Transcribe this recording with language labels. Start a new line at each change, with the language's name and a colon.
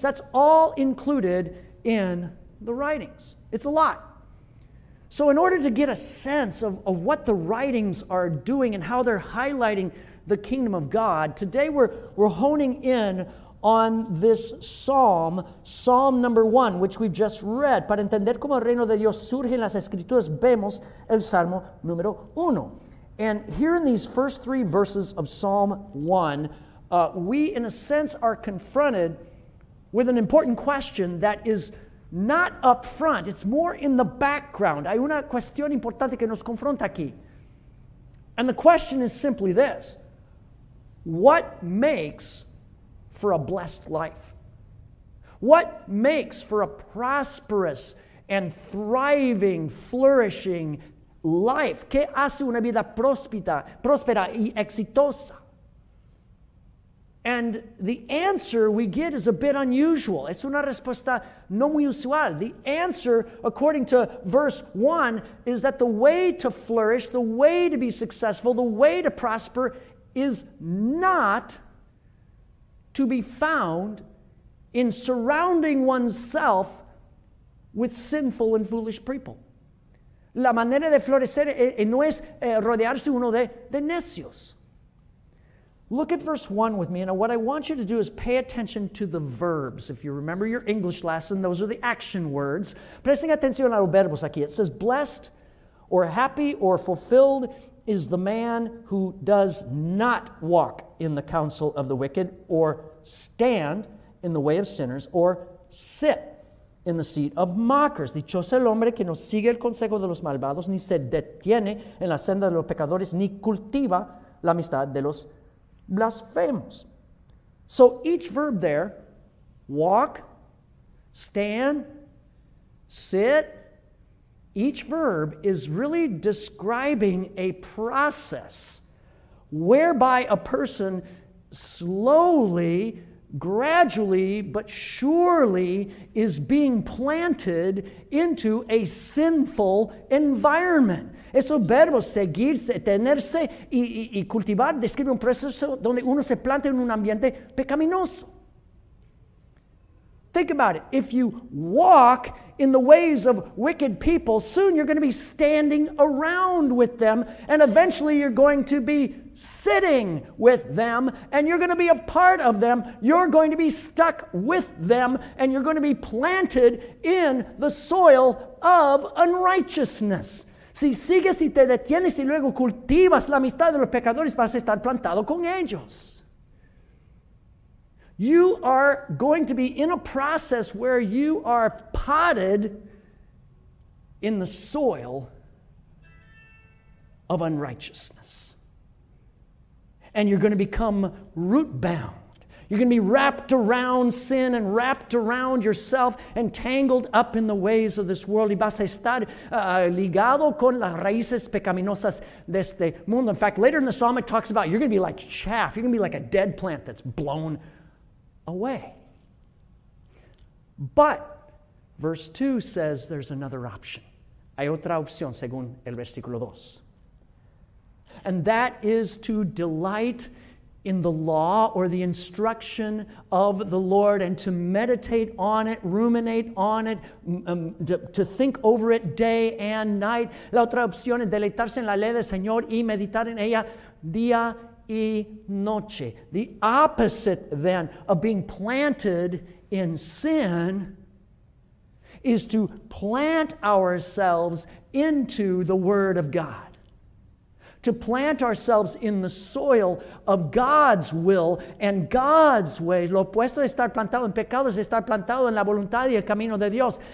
English: That's all included in the writings. It's a lot. So in order to get a sense of what the writings are doing and how they're highlighting the kingdom of God, today we're honing in on this psalm, Psalm number 1, which we've just read.
Spanish: Para entender cómo el reino de Dios surge en las escrituras, vemos el Salmo número 1.
English: And here in these first three verses of Psalm 1, we, in a sense, are confronted with an important question that is not up front. It's more in the background.
Spanish: Hay una cuestión importante que nos confronta aquí.
English: And the question is simply this. What makes for a blessed life? What makes for a prosperous and thriving, flourishing life?
Spanish: ¿Qué hace una vida próspera y exitosa?
English: And the answer we get is a bit unusual.
Spanish: Es una respuesta no muy usual.
English: The answer, according to verse 1, is that the way to flourish, the way to be successful, the way to prosper is not to be found in surrounding oneself with sinful and foolish people.
Spanish: La manera de florecer no es rodearse uno de necios.
English: Look at verse 1 with me, and what I want you to do is pay attention to the verbs. If you remember your English lesson, those are the action words.
Spanish: Presten atención a los verbos aquí.
English: It says, blessed or happy or fulfilled is the man who does not walk in the counsel of the wicked, or stand in the way of sinners, or sit in the seat of mockers.
Spanish: Dichoso el hombre que no sigue el consejo de los malvados, ni se detiene en la senda de los pecadores, ni cultiva la amistad de los blasfemos.
English: So each verb there, walk, stand, sit, each verb is really describing a process whereby a person slowly, gradually, but surely is being planted into a sinful environment.
Spanish: Esos verbos, seguirse, tenerse y cultivar, describe un proceso donde uno se planta en un ambiente pecaminoso.
English: Think about it. If you walk in the ways of wicked people, soon you're going to be standing around with them, and eventually you're going to be sitting with them, and you're going to be a part of them. You're going to be stuck with them, and you're going to be planted in the soil of unrighteousness.
Spanish: Si sigues y te detienes y luego cultivas la amistad de los pecadores, vas a estar plantado con ellos.
English: You are going to be in a process where you are potted in the soil of unrighteousness. And you're going to become root bound. You're going to be wrapped around sin and wrapped around yourself and tangled up in the ways of this world.
Spanish: Y vas a estar ligado con las raíces pecaminosas de este mundo.
English: In fact, later in the psalm it talks about you're going to be like chaff. You're going to be like a dead plant that's blown away. But verse 2 says there's another option.
Spanish: Hay otra opción según el versículo 2.
English: And that is to delight in the law or the instruction of the Lord and to meditate on it, ruminate on it, to think over it day and night.
Spanish: La otra opción es deleitarse en la ley del Señor y meditar en ella día y noche.
English: The opposite then of being planted in sin is to plant ourselves into the Word of God, to plant ourselves in the soil of God's will and God's way.
Spanish: Lo opuesto de estar plantado en pecado es estar plantado en la voluntad y el camino de Dios.